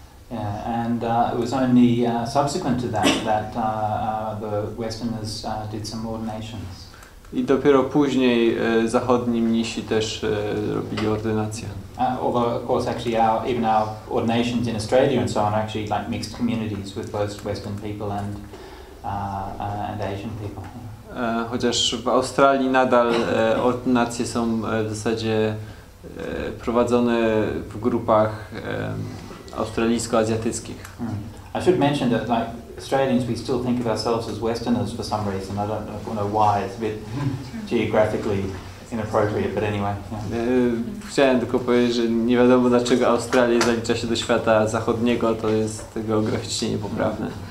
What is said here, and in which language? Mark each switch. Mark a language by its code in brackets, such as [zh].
[en] Yeah, and it was only subsequent to that the Westerners did some ordinations. [pl] I dopiero później zachodni mnisi też robili ordynacje. [en] Although, of course, actually, even our ordinations in Australia and so on are actually like mixed communities with both Western people and Asian people. [pl] Chociaż w Australii nadal ordynacje są w zasadzie prowadzone w grupach australijsko-azjatyckich. [en] I should mention that, like, Australians, we still think of ourselves as Westerners for some reason. I don't know why. It's a bit geographically inappropriate, but anyway. Yeah. [pl] Chciałem tylko powiedzieć, że nie wiadomo, dlaczego Australia zalicza się do świata zachodniego. To jest geograficznie niepoprawne.